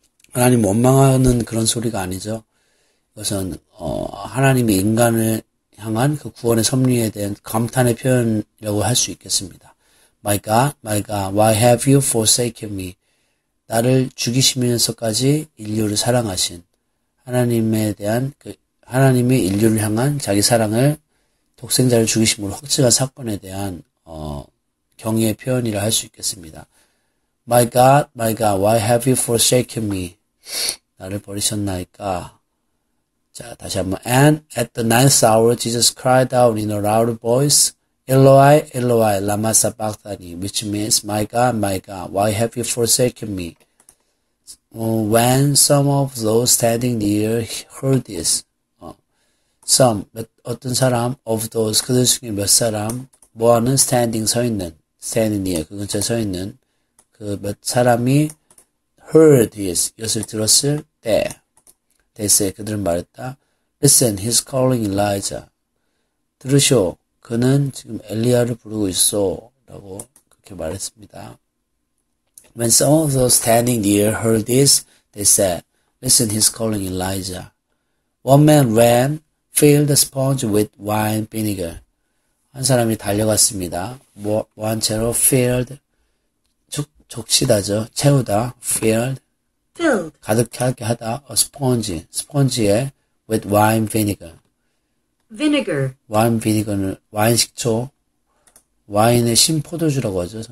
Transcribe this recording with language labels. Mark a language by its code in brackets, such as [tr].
[ko] 하나님 원망하는 그런 소리가 아니죠 이것은 하나님이 인간을 향한 그 구원의 섭리에 대한 감탄의 표현이라고 할 수 있겠습니다 [en] My God, why have you forsaken me? [ko] 나를 죽이시면서까지 인류를 사랑하신 하나님에 대한 그 하나님이 인류를 향한 자기 사랑을 독생자를 죽이심으로 확증한 사건에 대한 경의의 표현이라 할 수 있겠습니다. [en] My God, my God, why have you forsaken me? [ko] 나를 버리셨나이까? 자, 다시 한번. [en] And at the ninth hour, Jesus cried out in a loud voice, Eloi, Eloi, lama sabachthani, which means, My God, my God, why have you forsaken me? When some of those standing near heard this, [ko] some, 어떤 사람, of those, 그들 중에 몇 사람, 뭐하는 standing, 서 있는, [en] standing near, [ko] 그 근처에 서 있는, 그 몇 사람이 heard this, 이것을 들었을 때, [en] they say, [ko] 그들은 말했다. [en] Listen, he's calling Elijah. [ko] 들으시오. 그는 지금 엘리야를 부르고 있어. 라고 그렇게 말했습니다. [en] When some of those standing near heard this, they said, Listen, he's calling Elijah. One man ran, filled a sponge with wine vinegar. [ko] 한 사람이 달려갔습니다. 뭐한 채로 filled, 적시다죠. 채우다, filled. [en] Filled. [ko] 가득하게 하다, [en] a sponge, [ko] 스펀지에 [en] with wine vinegar. Vinegar. [ko] Wine vinegar는 와인 식초, 와인의 신포도주라고 하죠.